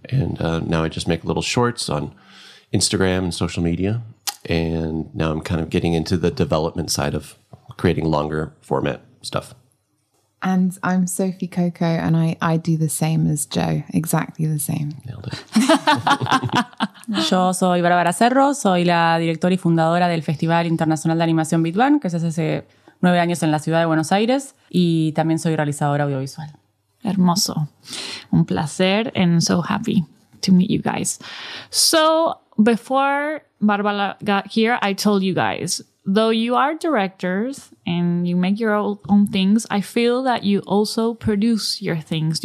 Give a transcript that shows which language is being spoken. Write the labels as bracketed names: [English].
[English] And now I just make little shorts on Instagram and social media. And now I'm kind of getting into the development side of creating longer format stuff. And I'm Sophie Koko, and I do the same as Joe, exactly the same. Nailed it. [Spanish] Yo soy Bárbara Cerro, soy la directora y fundadora del Festival Internacional de Animación BITBANG, que se hace 9 años en la ciudad de Buenos Aires, y también soy realizadora audiovisual. Hermoso. Un placer, [English] and so happy to meet you guys. So before Bárbara got here, I told you guys, though you are directors and you make your own things, I feel that you also produce your things.